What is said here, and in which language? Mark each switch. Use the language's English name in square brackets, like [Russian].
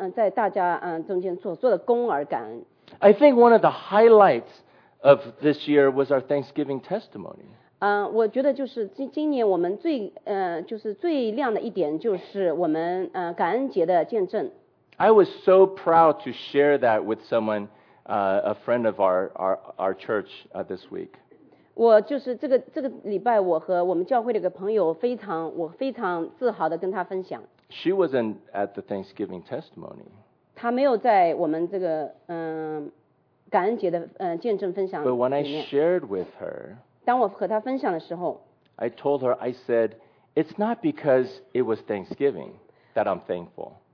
[Chinese] 但是我们更为神所做，在大家中间所做的功而感恩。 [English] I think one of the highlights of this year was our Thanksgiving testimony. [Chinese] 我觉得就是今年我们最亮的一点就是我们感恩节的见证。 [English] I was so proud to share that with someone. A friend of our church this week. [Chinese] 我就是这个礼拜我和我们教会的一个朋友非常自豪地跟他分享。 [English] She wasn't at the Thanksgiving testimony. [Chinese] 她没有在我们这个感恩节的见证分享里面。 [English] But when I shared with her, [Chinese] 当我和她分享的时候, [English] I told her, I said, it's not because it was Thanksgiving that I'm thankful.